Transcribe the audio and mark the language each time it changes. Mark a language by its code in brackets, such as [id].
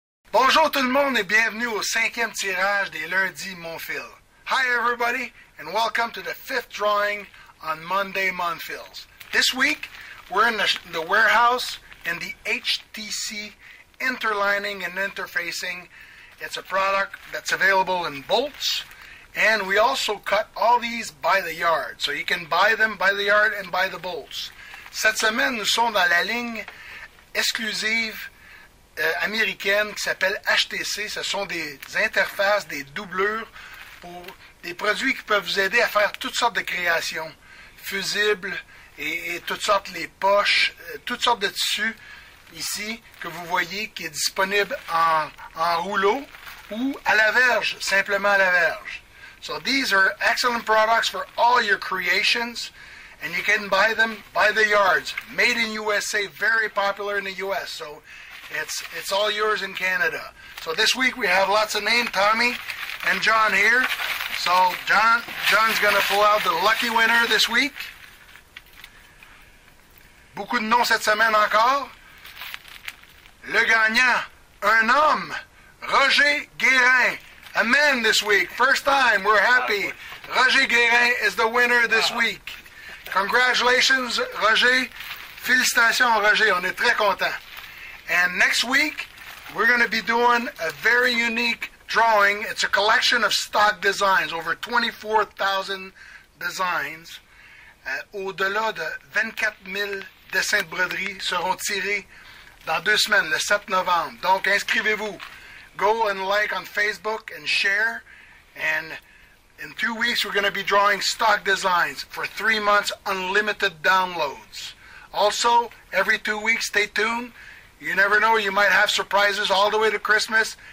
[fr] Bonjour tout le monde et bienvenue au cinquième tirage des lundis Monfil. [en] Hi everybody and welcome to the fifth drawing on Monday Monfils. This week we're in the warehouse in the HTC interlining and interfacing. It's a product that's available in bolts and we also cut all these by the yard. So you can buy them by the yard and by the bolts. [fr] Cette semaine nous sommes dans la ligne exclusive américaine qui s'appelle HTC. Ce sont des interfaces, des doublures pour des produits qui peuvent vous aider à faire toutes sortes de créations, fusibles et toutes sortes les poches, toutes sortes de tissus ici que vous voyez qui est disponible en rouleau ou à la verge, simplement à la verge. [en] So these are excellent products for all your creations and you can buy them by the yards. Made in USA, very popular in the US. So It's all yours in Canada. So this week we have lots of names, Tommy and John here. So John's going to pull out the lucky winner this week. [fr] Beaucoup de noms cette semaine encore. Le gagnant, un homme, Roger Guerin. [en] A man this week. First time, we're happy. Roger Guerin is the winner this week. Congratulations, Roger. [fr] Félicitations, Roger. On est très content. [en] And next week, we're going to be doing a very unique drawing. It's a collection of stock designs, over 24,000 designs. [fr] Au-delà de 24,000 dessins de broderie seront tirés dans deux semaines, le 7 novembre. Donc, inscrivez-vous. [en] Go and like on Facebook and share. And in 2 weeks, we're going to be drawing stock designs for 3 months, unlimited downloads. Also, every 2 weeks, stay tuned. You never know, you might have surprises all the way to Christmas.